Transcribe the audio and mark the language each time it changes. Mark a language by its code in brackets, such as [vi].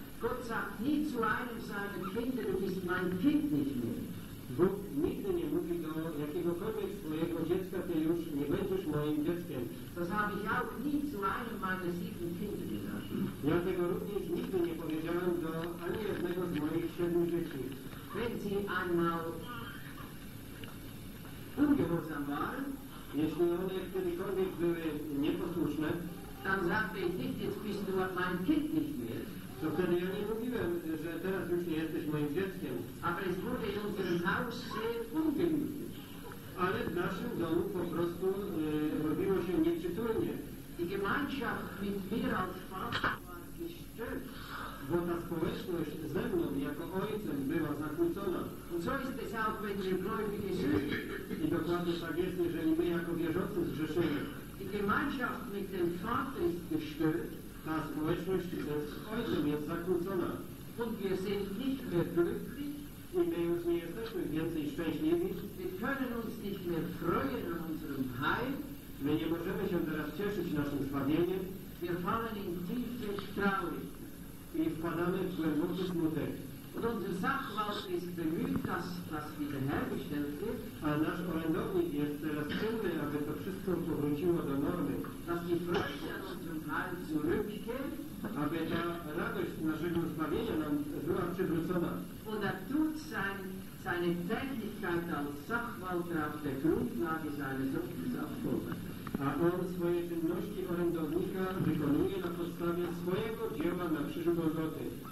[de] Gott sagt nie zu einem seiner Kinder, du bist mein Kind nicht mehr. [pl] Bóg nigdy nie mówi do jakiegokolwiek swojego dziecka, ty już nie będziesz moim dzieckiem. [de] Das habe ich auch nie zu einem meiner sieben Kinder gesagt. [pl] Ja tego również nigdy nie powiedziałem do ani jednego z moich siedmiu dzieci. [de] Wenn sie einmal ungehorsam waren, [pl] jeśli one kiedykolwiek były nieposłuszne, [de] dann sagte ich nicht, jetzt bist du mein Kind nicht mehr. [pl] To wtedy ja nie mówiłem, że teraz już nie jesteś moim dzieckiem. [de] Aber es wurde in unserem Haus sehr ungemütlich. [pl] Ale w naszym domu po prostu robiło się nieprzytulnie. [de] Die Gemeinschaft mit mir als Vater war gestört. [pl] Bo ta społeczność ze mną jako ojcem była zakłócona. [de] Und so ist es auch, wenn wir gläubige sind. [pl] I dokładnie tak jest, jeżeli my jako wierzący zgrzeszymy. [de] Die Gemeinschaft mit dem Vater ist gestört. [pl] Ta społeczność ze Ojcem jest zakłócona. [de] Und wir sind nicht mehr glücklich. [pl] I my już nie jesteśmy więcej szczęśliwi. [de] Wir können uns nicht mehr freuen an unserem Heil. [pl] My nie możemy się teraz cieszyć naszym zbawieniem. [de] Wir fallen in tiefe Trauer. [pl] I wpadamy w głęboki smutek. [de] Und unser Sachwalt ist bemüht, dass das wiederhergestellt wird. [pl] A nasz orędownik jest teraz pilny, aby to wszystko powróciło do normy. [de] Dass die Freude an unserem Heil zurückkehrt. [pl] Aby ta radość naszego zbawienia nam była przywrócona. [de] Und er tut seine Tätigkeit als Sachwalt auf der Grundlage seines Rechtsanspruchs. [pl] A on swoje czynności orędownika wykonuje na podstawie swojego dzieła na krzyżu Golgoty.